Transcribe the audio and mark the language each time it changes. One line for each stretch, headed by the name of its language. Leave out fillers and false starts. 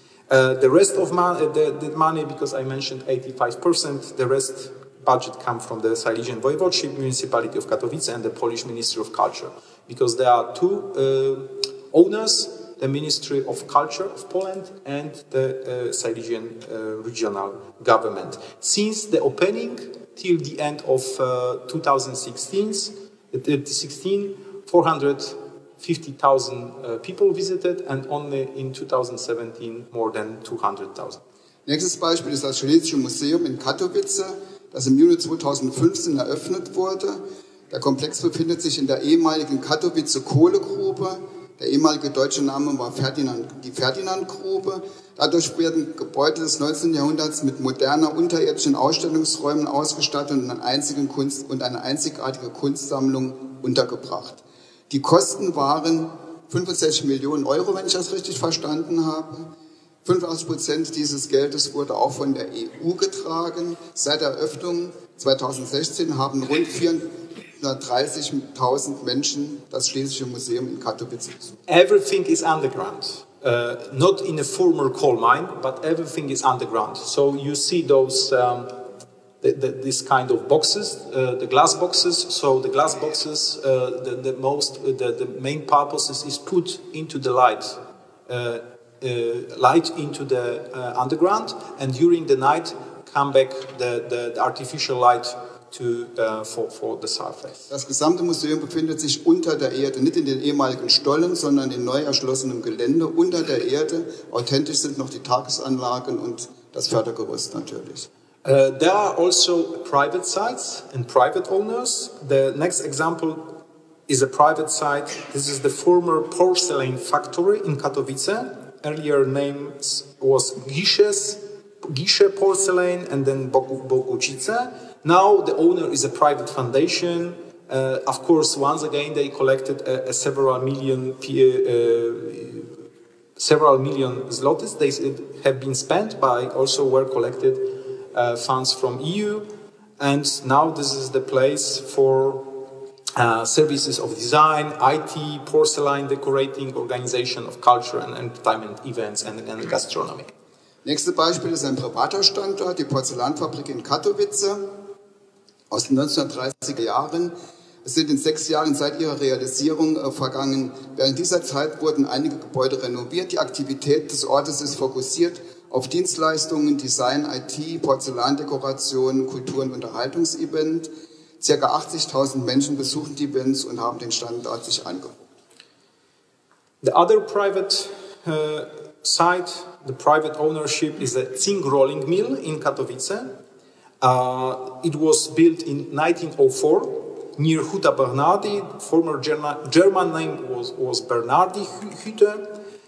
English: The rest of the money, because I mentioned 85%, the rest budget come from the Silesian Voivodeship, Municipality of Katowice, and the Polish Ministry of Culture, because there are two owners, the Ministry of Culture of Poland and the Silesian regional government. Since the opening till the end of 2016, 450,000 people visited, and only in 2017 more than 200,000.
German: Nächstes Beispiel ist das Schlesische Museum in Katowice, das im Juni 2015 eröffnet wurde. Der Komplex befindet sich in der ehemaligen Katowice Kohlegrube. Der ehemalige deutsche Name war die Ferdinandgrube. Dadurch werden Gebäude des 19. Jahrhunderts mit moderner unterirdischen Ausstellungsräumen ausgestattet und eine einzigartige Kunstsammlung untergebracht. Die Kosten waren 65 Millionen Euro, wenn ich das richtig verstanden habe. 85% dieses Geldes wurde auch von der EU getragen. Seit der Eröffnung 2016 haben rund 430.000 Menschen das Schlesische Museum in Katowice besucht.
English: Everything is underground. Not in a former coal mine, but everything is underground. So you see those this kind of boxes, the glass boxes. So the glass boxes, the main purpose is put into the light, light into the underground, and during the night come back the artificial light to for the surface.
German: Das gesamte Museum befindet sich unter der Erde, nicht in den ehemaligen Stollen, sondern in neu erschlossenem Gelände unter der Erde. Authentisch sind noch die Tagesanlagen und das Fördergerüst natürlich.
English: There are also private sites and private owners. The next example is a private site. This is the former porcelain factory in Katowice. Earlier name was Gische Porcelain and then Bogucice. Now the owner is a private foundation. Of course, once again, they collected several million zlotys. They have been spent, but also were collected funds from EU, and now this is the place for services of design, IT, porcelain decorating, organization of culture and entertainment events and gastronomy.
German: Nächstes Beispiel ist ein privater Standort, die Porzellanfabrik in Katowice aus den 1930er Jahren. Es sind in 6 Jahren seit ihrer Realisierung vergangen. Während dieser Zeit wurden einige Gebäude renoviert. Die Aktivität des Ortes ist fokussiert auf Dienstleistungen, Design, IT, Porzellandekoration, Kultur- und Unterhaltungsevent. Circa 80.000 Menschen besuchen die Events und haben den Standort sich angeguckt.
English: The other private site, the private ownership, is a zinc rolling mill in Katowice. It was built in 1904 near Hutta Bernardi. Former German name was Bernardi Hütte.